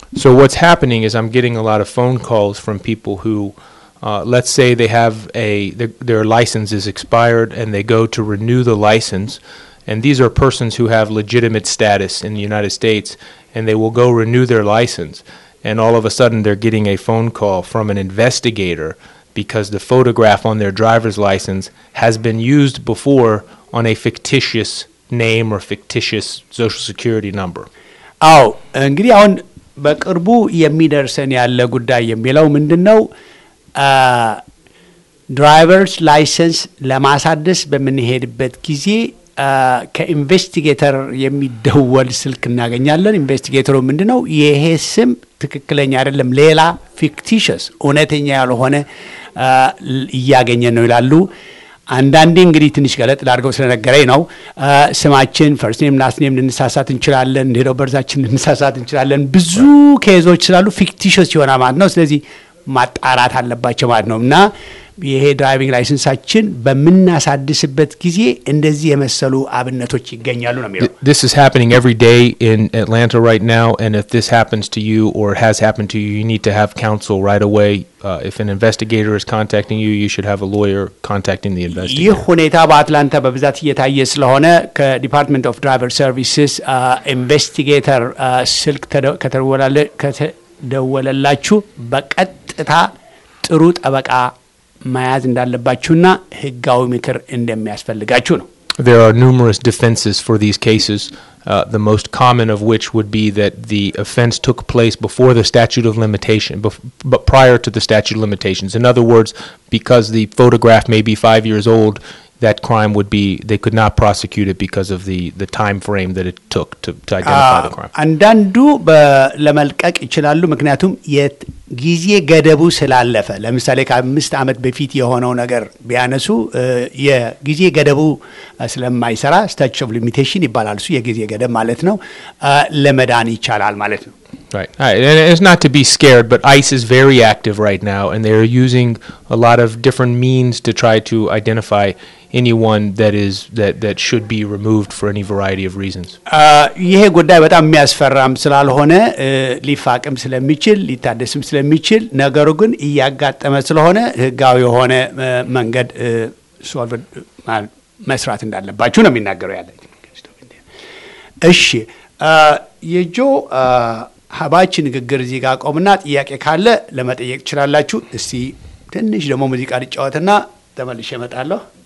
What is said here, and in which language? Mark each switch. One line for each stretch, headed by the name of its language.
English: So what's happening is I'm getting a lot of phone calls from people who let's say they have their license is expired and they go to renew the license and these are persons who have legitimate status in the United States and they will go renew their license and all of a sudden they're getting a phone call from an investigator because the photograph on their driver's license has been used before on a fictitious name or fictitious social security number.
Amharic: አው እንግዲህ አሁን በቅርቡ የሚደርሰን ያለ ጉዳይ የሚለው ምንድነው driver's license ለማሳደስ በሚሄድበት ጊዜ ከኢንቨስቲጌተር የሚደወል ስልክ እናገኛለን ኢንቨስቲጌተሩ ምንድነው ይሄ ስም ትክክለኛ አይደለም ሌላ fictitious እውነተኛ ያልሆነ እያገኘ ነው ይላሉ አንዳንዴ እንግዲህ ትንሽ ገለጥ ላድርገው ስለነገረኝ ነው ስማችን ፈርስት ኔም ላስት ኔም ልንሳሳት እንችላለን እንደው በርዛችን ልንሳሳት እንችላለን ብዙ ኬዞች ስላሉ fictitious ይሆናል ማለት ነው ስለዚህ ማጣራት አለባቸው ማለት ነውና ይሄ ድራይቪንግ ላይሰንሳችን በሚናሳድስበት ጊዜ እንደዚህ የመሰሉ አብነቶች ይገኛሉ ነው የሚለው
English: This is happening every day in Atlanta right now and if this happens to you or has happened to you you need to have counsel right away if an investigator is contacting you you should have a lawyer contacting the investigator
Amharic: ይህ ሁኔታ በአትላንታ በብዛት እየታየ ስለሆነ ከዲፓርትመንት ኦፍ ድራይቨር ሰርቪስስ ኢንቨስቲጌተር ስልክ ከተደወለ ደወለላችሁ በቀጥታ ጥሩ ጠበቃ ማያዝ እንዳለባችሁና ህጋዊ ምክር እንደሚያስፈልጋችሁ ነው
English: There are numerous defenses for these cases the most common of which would be that the offense took place before the statute of limitation but prior to the statute of limitations in other words because the photograph may be 5 years old that crime would be they could not prosecute it because of the time frame that it took to identify the crime
Amharic: አንዳንዱ በለመልቀቅ ይችላል ምክንያቱም የጊዜ ገደቡ ስላለፈ ለምሳሌ ከአምስት አመት በፊት የሆነው ነገር ቢያነሱ የጊዜ ገደቡ ስለማይሰራ statute of limitation ይባላልሱ የጊዜ ገደብ ማለት ነው ለመዳን ይቻላል ማለት ነው
English: Right. And it's not to be scared, but ICE is very active right now, and they're using a lot of different means to try to identify anyone that should be removed for any variety of reasons.
Amharic: ይሄ ጉዳይ በጣም የሚያስፈራም ስላልሆነ ሊፋቅም ስለሚችል ሊታደስም ስለሚችል ነገሩ ግን እያጋጠመ ስለሆነ ህጋዊ የሆነ መንገድ ሶልቭ መስራት እንዳለባችሁ ነው የሚናገረው ያለኝ። እሺ የጆ ሀባች ንግግር እዚህ ጋር ቆምና ጥያቄ ካለ ለመጠየቅ ይችላልላችሁ እስቲ ትንሽ ደሞ ሙዚቃ ልጫወትና ተመልሼ እመጣለሁ